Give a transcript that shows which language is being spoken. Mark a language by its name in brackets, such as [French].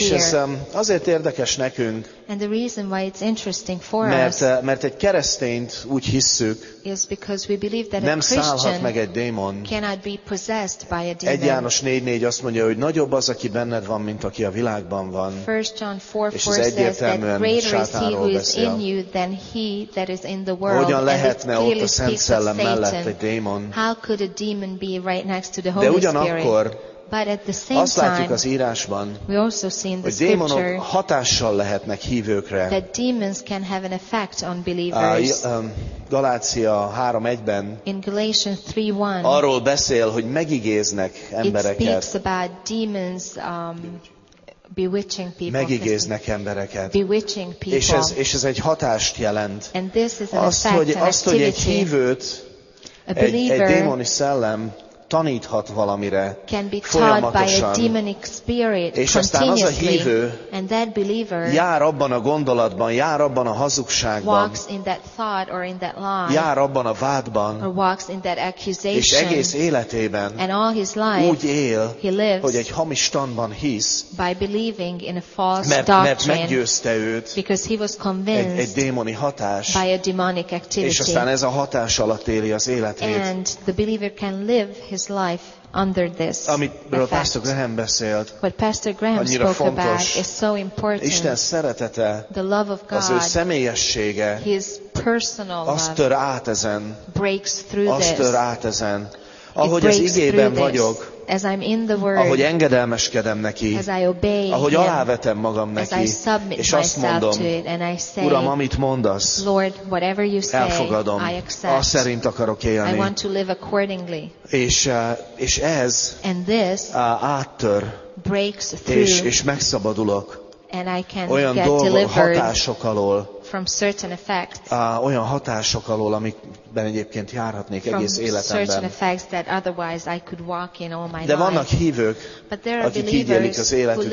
[Hungarian] És ez azért érdekes nekünk, [English] and the reason why it's interesting for [Hungarian] mert egy keresztényt úgy hisszük, [English] is because we believe that [Hungarian] nem [English] a Christian [Hungarian] szállhat meg egy démon. [English] Cannot be possessed by a demon. [Hungarian] 1 János 4:4 azt mondja, hogy nagyobb az, aki benned van, mint aki a világban van. [English] 1 John 4:4 says [Hungarian] egyértelműen [English] that greater is he who is in you than he that is in the world. [Hungarian] Hogyan lehetne ott a Szent Szellem mellett egy démon? [English] How could a demon be right next to the Holy [Hungarian] Spirit? De ugyanakkor [English] but at the same [Hungarian] azt látjuk az írásban, [English] we also see in the [Hungarian] hogy démonok hatással lehetnek hívőkre. [English] That demons can have an effect on believers. [Hungarian] Galácia 3:1-ben [English] in Galatians 3:1 [Hungarian] arról beszél, hogy megigéznek embereket. [English] It speaks about demons bewitching people. [Hungarian] Megigéznek embereket. [English] Bewitching people. [Hungarian] És ez egy hatást jelent. [English] And this is an [Hungarian] azt, [English] effect, [Hungarian] hogy, [English] an activity. [Hungarian] Azt, hogy egy hívőt, egy démoni szellem taníthat valamire [English] can be [Hungarian] folyamatosan, és aztán az a hívő jár abban a gondolatban, jár abban a hazugságban, [English] walks in that thought or in that lie, [Hungarian] jár abban a vádban, [English] or walks in that accusation, [Hungarian] és egész életében [English] and all his life, [Hungarian] úgy él, [English] he lives, [Hungarian] hogy egy hamis tanban hisz, [English] by believing in a false [Hungarian] mert meggyőzte őt [English] because he was convinced [Hungarian] egy démoni hatás, [English] by a demonic activity, [Hungarian] és aztán ez a hatás alatt éli az életét. [English] And the believer can live his life under this [Hungarian] amiről Pastor Graham beszélt, [English] what Pastor Graham [Hungarian] annyira [English] spoke [Hungarian] fontos, [English] about is so important. [Hungarian] Isten szeretete, [English] the love of God, [Hungarian] az ő személyessége, [English] his personal love, [Hungarian] azt tör át ezen, [English] breaks through this, [Hungarian] azt tör át ezen, ahogy az igében vagyok, [English] as I'm in the word, [Hungarian] ahogy engedelmeskedem neki, [English] as I obey [Hungarian] ahogy [English] him, [Hungarian] alávetem magam neki, [English] as I submit [Hungarian] és azt mondom, [English] myself to it, and I say, [Hungarian] Uram, amit mondasz, [English] Lord, whatever you say, [Hungarian] elfogadom, [English] I accept, [Hungarian] azt szerint akarok élni. [English] I want to live accordingly. [Hungarian] És ez [English] and this [Hungarian] áttör, [English] breaks through, [Hungarian] és megszabadulok [English] and I can [Hungarian] olyan dolgok, hatások alól, [English] from certain effects, [Hungarian] olyan hatások alól, amikben egyébként járhatnék egész életemben. [English] From certain effects that otherwise I could walk in all my life. [Hungarian] De vannak hívők, akik így élik az életüket,